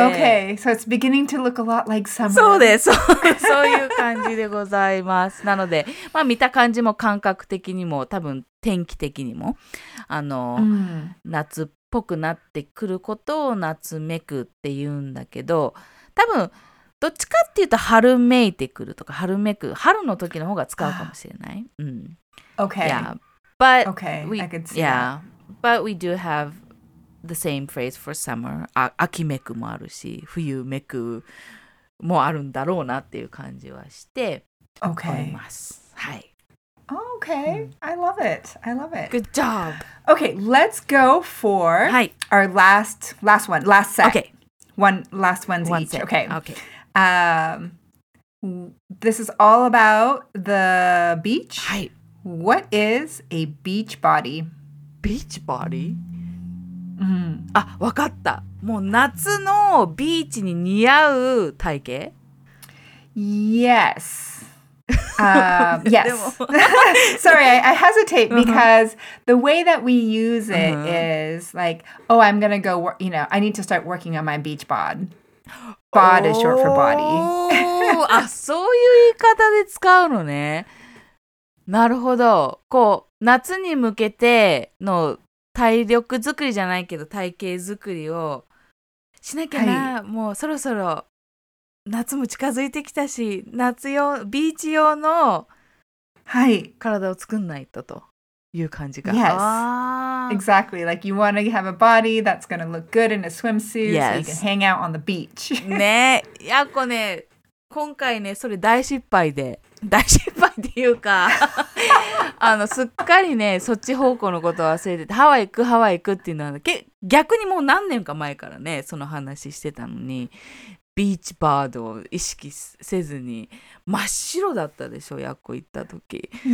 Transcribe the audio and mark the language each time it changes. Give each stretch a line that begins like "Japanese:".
English: Okay, so it's beginning to look a lot like summer.
Japanese: そうです。そういう感じでございます。なので、まあ見た感じも感覚的にも、多分天気的にも、あの、うん、夏っぽくなってくることを夏めくって言うんだけど、多分、どっちかっていうと春めいてくるとか春めく春の時の方が使うかもしれない。
English: Okay. Yeah. But okay. We, I can see. Yeah. But we do have the same phrase for summer.
Japanese: 秋めくもあるし冬めくもあるんだろうなっていう感じはして
English: お、okay.
Japanese: ります。はい。
English: Oh, okay.、うん、I love it. I love it. Good job. Okay. Let's go for、
Japanese: はい、
English: our last one. Last set. Okay. One last one's one each. Okay. Okay. This is all about the beach.
Japanese: はい。
English: What is a beach body? Beach body? Mm.
Japanese: あ、わかった。もう夏のビーチに似合う体型?
English: Yes. yes. Sorry, I hesitate because、uh-huh. the way that we use it、uh-huh. is like, oh, I'm going to go, you know, I need to start working on my beach bod. Bod、oh. is short for body.
Japanese: Oh, あ、そういう言い方で使うのね。なるほど。こう、夏に向けての体力作りじゃないけど、体型作りをしなきゃな。はい、もうそろそろ。夏も近づいてきたし、夏用、ビーチ用の体を作んないとという感じが。
English: はい、yes, exactly. Like you want to have a body that's going to look good in a swimsuit、 yes. so you can hang out on the beach.
Japanese: ね、やっこね、今回ね、それ大失敗で、大失敗っていうか、あの、すっかりね、そっち方向のことを忘れてて、ハワイ行く、ハワイ行くっていうのは、逆にもう何年か前からね、その話してたのに、ビーチバードを意識せずに真っ白だったでしょ、ヤッコ行った時。